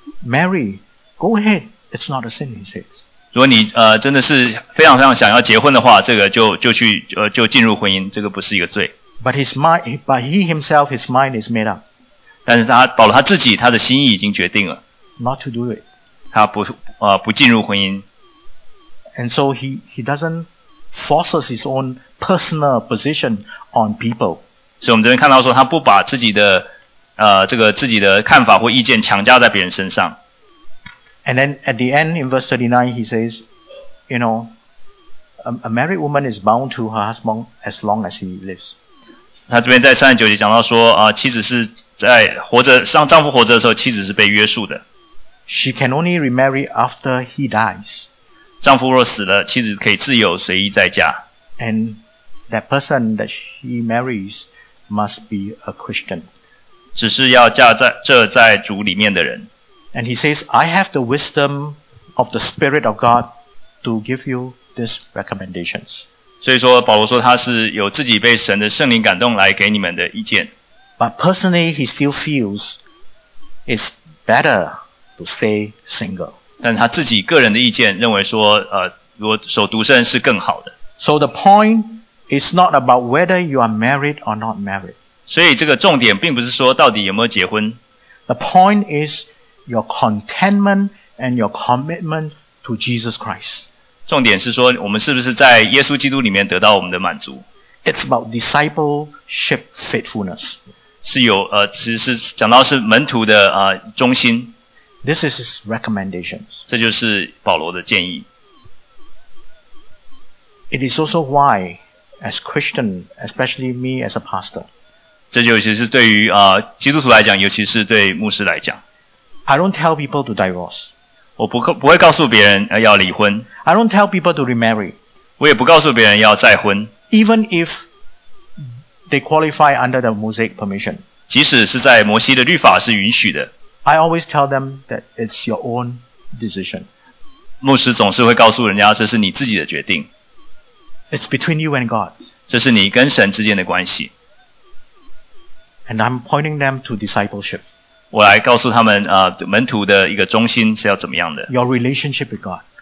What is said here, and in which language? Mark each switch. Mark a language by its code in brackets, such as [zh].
[en] Mary, go ahead. It's not a sin, he says. [zh] 如果你真的是非常非常想要结婚的话，这个就进入婚姻，这个不是一个罪。 [en] But he himself, his mind is made up. [zh] 但是他保罗他自己他的心意已经决定了。 [en] Not to do it. [zh] 他不进入婚姻。 [en] And so he doesn't force his own personal position on people. [zh] 所以我们这边看到说他不把自己的这个自己的看法或意见强加在别人身上。 [en] And then at the end in verse 39, he says, you know, a married woman is bound to her husband as long as he lives. [zh] 他这边在39节讲到说妻子是在活着上丈夫活着的时候妻子是被约束的。 [en] She can only remarry after he dies. [zh] 丈夫若死了妻子可以自由随意再嫁。 [en] And that person that she marries must be a Christian. [zh] 只是要嫁在这在主里面的人。 [en] And he says, I have the wisdom of the Spirit of God to give you these recommendations. [zh] 所以说保罗说他是有自己被神的圣灵感动来给你们的意见。 [en] But personally, he still feels it's better to stay single. [zh] 但他自己个人的意见认为说如果守独身是更好的。 [en] So the point is not about whether you are married or not married. [zh] 所以这个重点并不是说到底有没有结婚。 [en] The point is,Your contentment and your commitment to Jesus Christ. [zh] 重点是说我们是不是在耶稣基督里面得到我们的满足。 [en] It's about discipleship faithfulness. [zh] 是有其实是讲到是门徒的忠心。 [en] This is his recommendations. [zh] 这就是保罗的建议。 [en] It is also why, as Christian, especially me as a pastor. [zh] 这就其实对于基督徒来讲尤其是对牧师来讲。 [en] I don't tell people to divorce. [zh] 我不会告诉别人要离婚。 [en] I don't tell people to remarry. [zh] 我也不告诉别人要再婚。 [en] Even if they qualify under the Mosaic permission. [zh] 即使是在摩西的律法是允许的。 [en] I always tell them that it's your own decision. [zh] 牧师总是会告诉人家这是你自己的决定。 [en] It's between you and God. [zh] 这是你跟神之间的关系。 [en] And I'm pointing them to discipleship. [zh] 我来告诉他们门徒的一个中心是要怎么样的。 [en] Your relationship with God.